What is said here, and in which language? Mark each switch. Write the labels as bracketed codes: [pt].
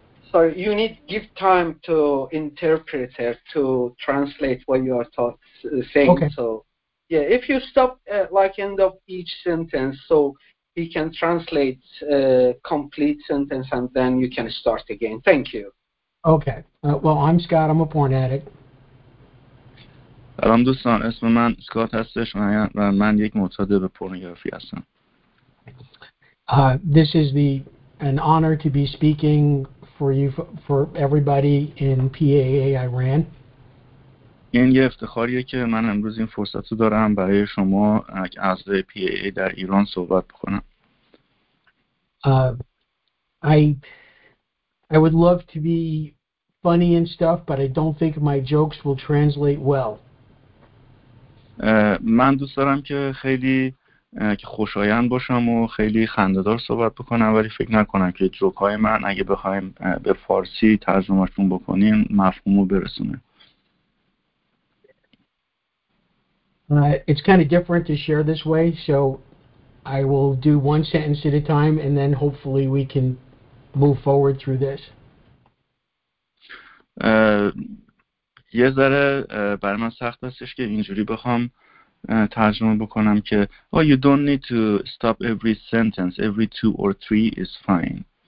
[en] Sorry, you need give time to interpreter to translate what you are saying. Okay. So, yeah, if you stop at like end of each sentence, so he can translate complete sentence, and then you can start again. Thank you. Okay. Well, I'm Scott. I'm a porn addict. [fa] سلام دوستان، اسم من اسکات هستش و من یک معتاد به پورنوگرافی هستم. [en] This is the an honor to be speaking for you for everybody in PAA Iran. [fa] این یه افتخاریه که من امروز این فرصت رو دارم برای شما اعضای PAA در ایران صحبت بکنم. [en] I would love to be funny and stuff, but I don't think my jokes will translate well. [fa] من دوست دارم که خیلی خوشایند باشم و خیلی خنده‌دار صحبت بکنم، ولی فکر نکنم که جوک های من اگه بخوایم به فارسی ترجمهشون بکنیم مفهومو برسونه. [en] It's kind of different to share this way, so I will do one sentence at a time and then hopefully we can move forward through this. [fa] یه ذره برای من سخت هستش که اینجوری بخوام ترجمه بکنم که [en] you don't need to stop every sentence, every two or three is fine.